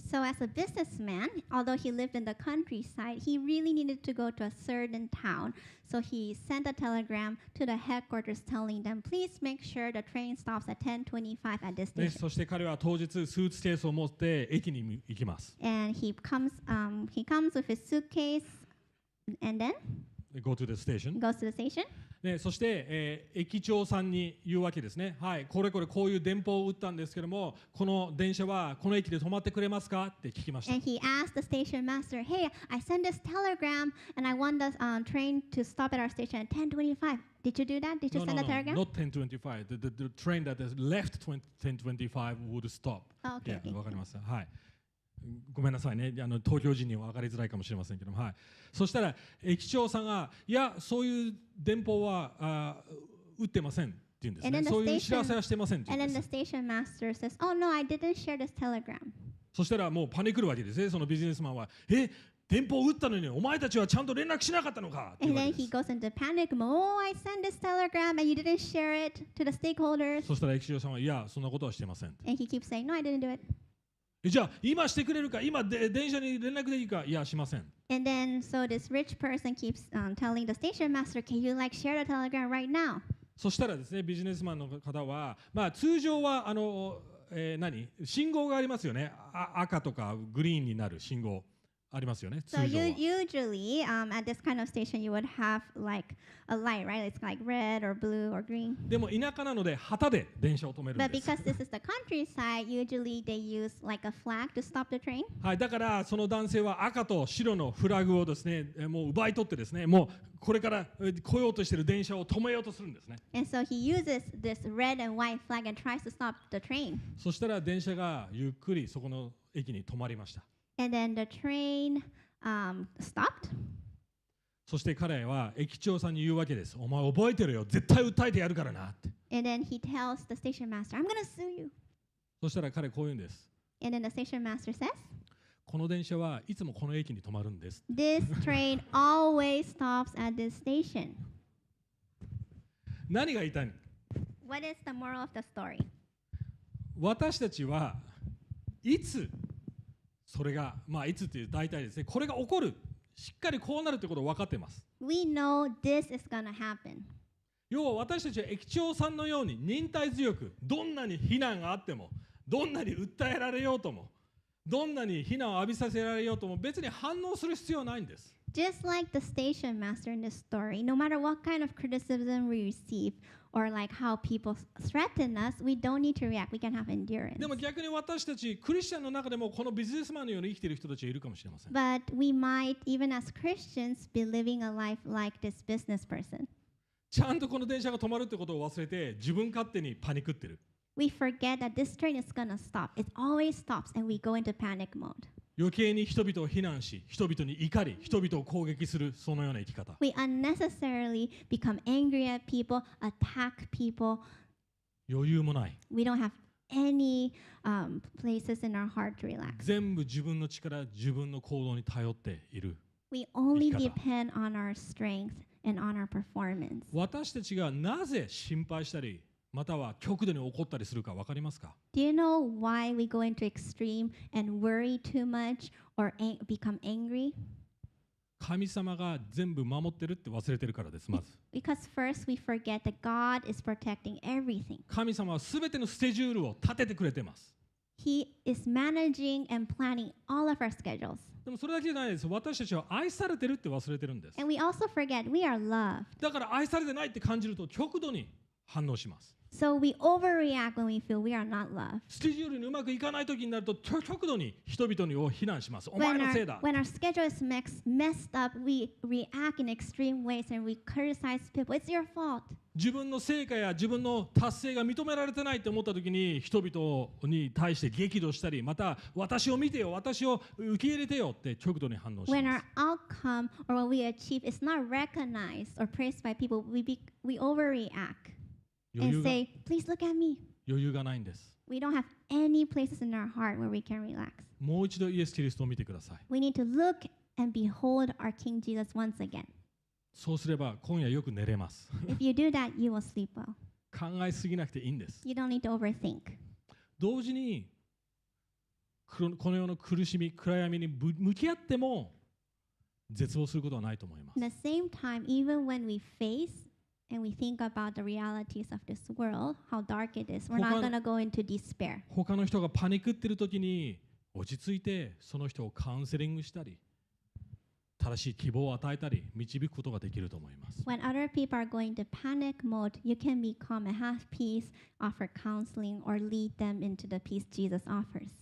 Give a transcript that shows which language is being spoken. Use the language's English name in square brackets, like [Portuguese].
[English] So as a businessman, although he lived in the countryside, he really needed to go to a certain town. So he sent a telegram to the headquarters telling them, please make sure the train stops at 10:25 at this station.、 [Japanese] ね、そして彼は当日スーツケースを持って駅に行きます。 [English] And he comes with his suitcaseAnd then? Go to the station. Goes to the station.、 [Japanese] ね、そして、駅長さんに言うわけですね。はい、これこれこういう電報を打ったんですけども、この電車はこの駅で止まってくれますかって聞きました。 [English] And he asked the station master, Hey, I sent this telegram and I want the、train to stop at our station at 10:25. Did you do that? Did you no, send no, a telegram? No, not 10:25. The train that has left 10:25 would stop. Okay. [Japanese] Yeah, わかりました。はい。ごめんなさいね、あの東京人には分かりづらいかもしれませんけども、はい、そしたら駅長さんがいやそういう電報は打ってませんって言うんですね。そういう知らせはしてませんって言うんです。 [English] And then the station master says, Oh no, I didn't share this telegram. [Japanese] そしたらもうパニクるわけですね。そのビジネスマンは、え、電報を打ったのにお前たちはちゃんと連絡しなかったのかって言われます。 [English] And then he goes into panic mode, Oh, I sent this telegram and you didn't share it to the stakeholders. [Japanese] そしたら駅長さんはいやそんなことはしてません。 [English] And he keeps saying, No, I didn't do it. [Japanese] じゃあ今してくれるか今電車に連絡できるかいやしません。 [English] And then so this rich person keeps telling the station master, can you like share the telegram right now? [Japanese] そしたらですねビジネスマンの方はまあ通常はあの、何信号がありますよね。赤とかグリーンになる信号ありますよね。 [English] So usually at this kind of station you would have like a light, right? It's like red or blue or green. [Japanese] でも田舎なので旗で電車を止めるんです。 [English] But because this is the countryside, usually they use like a flag to stop the train. [Japanese] はい、だからその男性は赤と白のフラグをですね、もう奪い取ってですね、もうこれから来ようとしている電車を止めようとするんですね。 [English] And so he uses this red and white flag and tries to stop the train. [Japanese] そしたら電車がゆっくりそこの駅に止まりました。 [English] And then the train, stopped. [Japanese] そして彼は駅長さんに言うわけです。お前覚えてるよ。絶対訴えてやるからなって。 [English] And then he tells the station master, I'm gonna sue you. [Japanese] そしたら彼こう言うんです。 [English] And then the station master says, [Japanese] この電車はいつもこの駅に止まるんです。 [English] This train always stops at this station. [Japanese] 何が言いたい？ [English] What is the moral of the story? [Japanese] 私たちはいつそれが、まあ、いつっていう大体ですね。これが起こる。しっかりこうなるということを分かっています。 [English] We know this is gonna happen. [Japanese] 要は私たちは駅長さんのように忍耐強く、どんなに非難があっても、どんなに訴えられようとも、どんなに非難を浴びさせられようとも、別に反応する必要はないんです。 [English] Just like the station master in this story, no matter what kind of criticism we receive,or like how people threaten us, we don't need to react. We can have endurance. [Japanese] でも逆に私たちクリスチャンの中でもこのビジネスマンのように生きている人たちいるかもしれません。 [English] But we might even as Christians be living a life like this business person. [Japanese] ちゃんとこの電車が止まるってことを忘れて自分勝手にパニクってる。 [English] We forget that this train is gonna stop. It always stops, and we go into panic mode. [Japanese] 余計に人々を非難し、人々に怒り、人々を攻撃するそのような生き方。 [English] We unnecessarily become angry at people, attack people. [Japanese] 余裕もない。 [English] We don't have any places in our heart to relax. [Japanese] 全部自分の力、自分の行動に頼っている。 [English] We only depend on our strength and on our performance. [Japanese] 私たちがなぜ心配したり、または極度に怒ったりするか分かりますか？ [English] Do you know why we go into extreme and worry too much or become angry? [Japanese] 神様が全部守ってるって忘れてるからです、まず。 [English] Because first we forget that God is protecting everything. [Japanese] 神様は全てのスケジュールを立ててくれてます。 [English] He is managing and planning all of our schedules. [Japanese] でもそれだけじゃないです。私たちは愛されてるって忘れてるんです。 [English] And we also forget we are loved. [Japanese] だから愛されてないって感じると極度に反応します。 [English] So we overreact when we feel we are not loved. [Japanese] スケジュールにうまくいかない時になると極度に人々にを非難します。お前のせいだ。 [English] When our schedule is messed up, we react in extreme ways and we criticize people. It's your fault. [Japanese] 自分の成果や自分の達成が認められてないと思った時に人々に対して激怒したり、また私を見てよ、私を受け入れてよって極度に反応します。 [English] When our outcome or what we achieve is not recognized or praised by people, we overreact. And say, please look at me. [Japanese] 余裕がないんです。 [English] We don't have any places in our heart where we can relax. [Japanese] もう一度イエス・キリストを見てください。 [English] We need to look and behold our King Jesus once again. [Japanese] そうすれば今夜よく寝れます。 [English] If you do that, you will sleep well. [Japanese] 考えすぎなくていいんです。 [English] You don't need to overthink. [Japanese] 同時にこの世の苦しみ、暗闇に向き合っても絶望することはないと思います。 [English] The same time, even when we faceAnd we think about the realities of this world, how dark it is. We're not going to go into despair. [Japanese] 他の人がパニクってる時に落ち着いてその人をカウンセリングしたり、正しい希望を与えたり導くことができると思います。 [English] When other people are going to panic mode, you can be calm and have peace, offer counseling, or lead them into the peace Jesus offers.